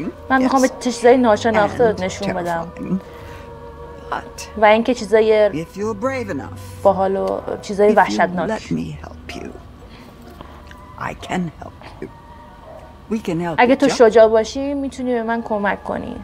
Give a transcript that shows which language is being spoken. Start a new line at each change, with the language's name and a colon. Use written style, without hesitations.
Persian: من میخوام به چیزای ناشناخته نشون بدم. و اینکه چیزای باحال و چیزای وحشتناک.
English: Let me help you. I can help you. We can help.
Persian: اگه تو شجاع باشی میتونی به من کمک کنی.